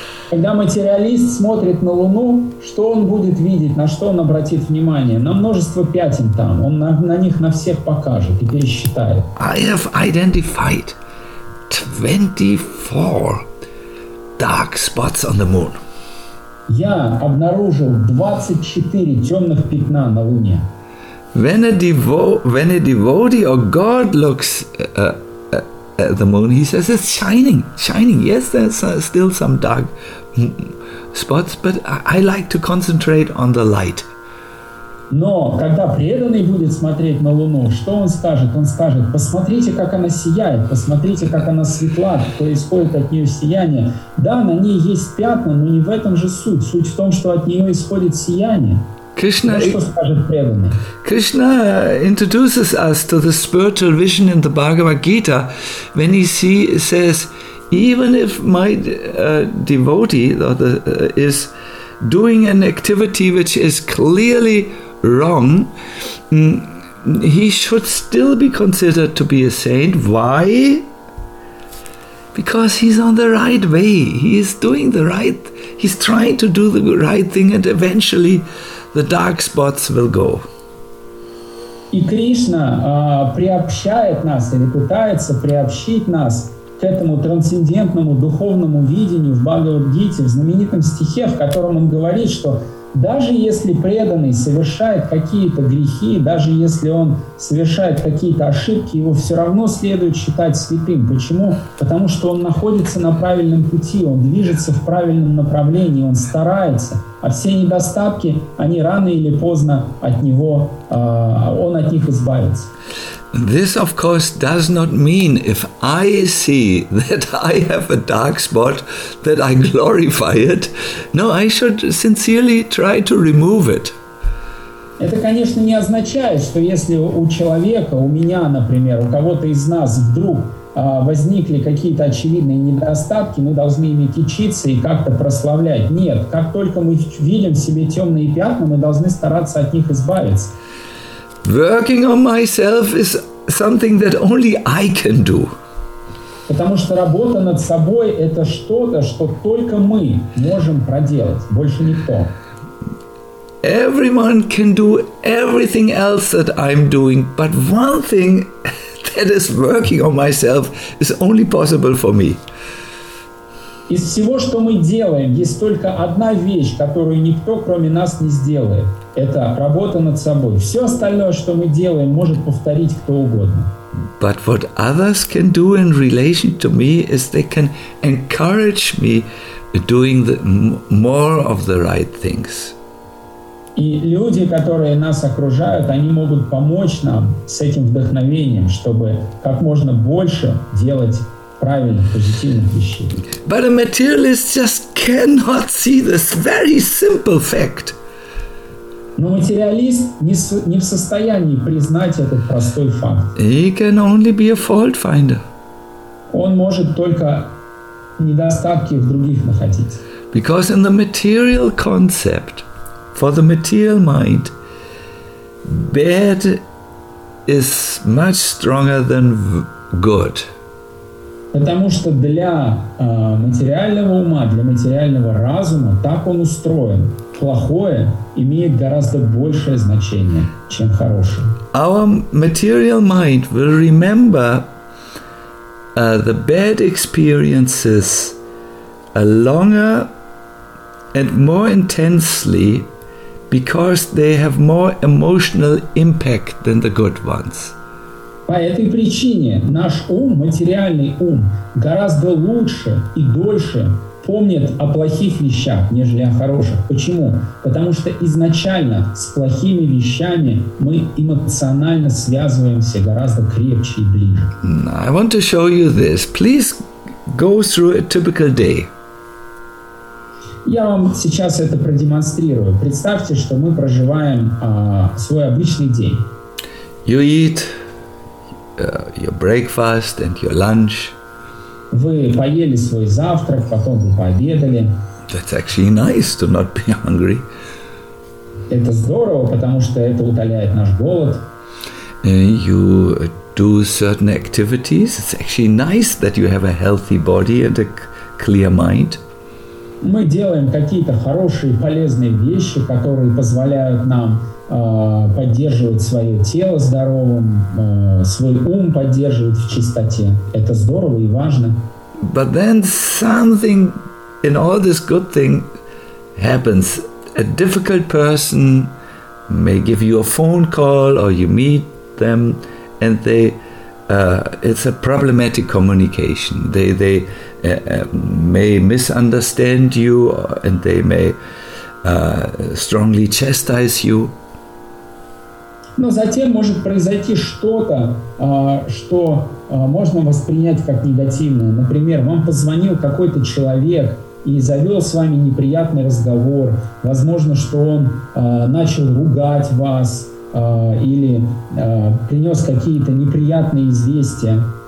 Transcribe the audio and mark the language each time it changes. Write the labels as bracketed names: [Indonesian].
[Russian] Когда материалист смотрит на Луну, что он будет видеть, на что он обратит внимание? На множество пятен там. Он на них на всех покажет и пересчитает. [English] I have identified 24 dark spots on the moon. [Russian] Я обнаружил 24 темных пятна на Луне. [English] When a devotee or God looks at the moon, he says it's shining, shining. Yes, there's still some dark spots, but I like to concentrate on the light. [Russian] Но когда преданный будет смотреть на Луну, что он скажет? Он скажет: посмотрите, как она сияет, посмотрите, как она светла, происходит от нее сияние. Да, на ней есть пятна, но не в этом же суть. Суть в том, что от нее исходит сияние. Кришна, что скажет преданный? [English] Krishna introduces us to the spiritual vision in the Bhagavad Gita when he says, even if my devotee is doing an activity which is clearly wrong, he should still be considered to be a saint. Why? Because he's on the right way. He's trying to do the right thing, and eventually the dark spots will go. [Russian] И Кришна приобщает нас или пытается приобщить нас к этому трансцендентному духовному видению в Бхагавад-гите, в знаменитом стихе, в котором он говорит, что даже если преданный совершает какие-то грехи, даже если он совершает какие-то ошибки, его все равно следует считать святым. Почему? Потому что он находится на правильном пути, он движется в правильном направлении, он старается, а все недостатки, они рано или поздно от него, он от них избавится. [English] This, of course, does not mean if I see that I have a dark spot that I glorify it. No, I should sincerely try to remove it. [Russian] Это, конечно, не означает, что если у человека, у меня, например, у кого-то из нас вдруг возникли какие-то очевидные недостатки, мы должны ими кичиться и как-то прославлять. Нет, как только мы видим в себе темные пятна, мы должны стараться от них избавиться. [English] Working on myself is something that only I can do. [Russian] Потому что работа над собой – это что-то, что только мы можем проделать, больше никто. [English] Everyone can do everything else that I'm doing, but one thing that is working on myself is only possible for me. [Russian] Из всего, что мы делаем, есть только одна вещь, которую никто, кроме нас, не сделает. Это работа над собой. Все остальное, что мы делаем, может повторить кто угодно. [English] But what others can do in relation to me is they can encourage me doing more of the right things. [Russian] И люди, которые нас окружают, они могут помочь нам с этим вдохновением, чтобы как можно больше делать правильных, позитивных вещей. [English] But a materialist just cannot see this very simple fact. [Russian] Но материалист не в состоянии признать этот простой факт. [English] He can only be a fault finder. [Russian] Он может только недостатки в других находить. [English] Because in the material concept, for the material mind, bad is much stronger than good. [Russian] Потому что для материального ума, для материального разума, так он устроен, плохое имеет гораздо большее значение, чем хорошее. [English] Our material mind will remember the bad experiences longer and more intensely because they have more emotional impact than the good ones. [Russian] По этой причине наш ум, материальный ум, гораздо лучше и дольше помнит о плохих вещах, нежели о хороших. Почему? Потому что изначально с плохими вещами мы эмоционально связываемся гораздо крепче и ближе. [English] I want to show you this. Please go through a typical day. [Russian] Я вам сейчас это продемонстрирую. Представьте, что мы проживаем свой обычный день. [English] You eat your breakfast and your lunch. [Russian] Вы поели свой завтрак, потом вы пообедали. [English] That's actually nice to not be hungry. [Russian] Это здорово, потому что это утоляет наш голод. [English] You do certain activities. It's actually nice that you have a healthy body and a clear mind. [Russian] Мы делаем какие-то хорошие, полезные вещи, которые позволяют нам поддерживать свое тело здоровым, свой ум поддерживать в чистоте. Это здорово и важно. [English] But then something in all this good thing happens. A difficult person may give you a phone call or you meet them and they it's a problematic communication. They may misunderstand you and they may strongly chastise you. [Russian] Но затем может произойти что-то, что можно воспринять как негативное. Например, вам позвонил какой-то человек и завел с вами неприятный разговор. Возможно, что он начал ругать вас или принес какие-то неприятные известия.